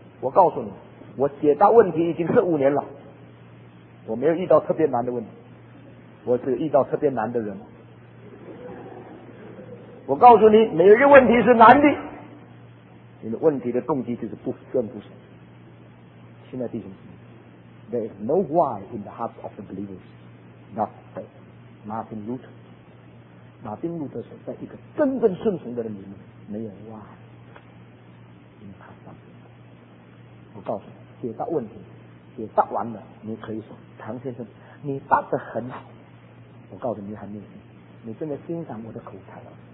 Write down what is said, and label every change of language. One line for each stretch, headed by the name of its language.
Chinese: 我告诉你，我解答问题已经是五年了。我没有遇到特别难的问题，我只遇到特别难的人。我告诉你，每一个问题是难的，你的问题的动机就是不顺服神。亲爱的弟兄姊妹，
English: There is no why in the hearts of the believers, not faith.
Chinese: Martin Luther， 马丁路德说，在一个真正顺从的人里面，没有
English: why in the hearts of the believers。
Chinese: 我告诉你，解答问题也答完了，你可以说唐先生你答得很好，我告诉你还没有，你真的欣赏我的口才了。